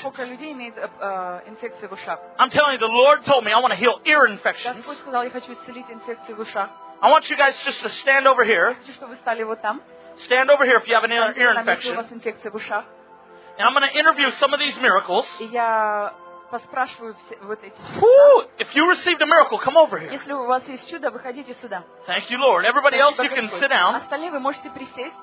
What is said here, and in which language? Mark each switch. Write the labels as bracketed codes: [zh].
[ru] Сколько людей имеют инфекции в ушах? [en] I'm telling you, the Lord told me I want to heal ear infections. [ru] Господь сказал, я хочу исцелить инфекции в ушах. [en] I want you guys just to stand over here. [ru] Хочу, чтобы вы стали вот там. [en] Стand over here if you have an ear infection. [ru] У вас инфекция в ушах. [en] And I'm going to interview some of these miracles. [ru] Я поспрашиваю вот эти. [en] If you received a miracle, come over here. [ru] Если у вас есть чудо, выходите сюда. [en] Thank you, Lord. Everybody else, you can sit down. [ru] Остальные вы можете присесть.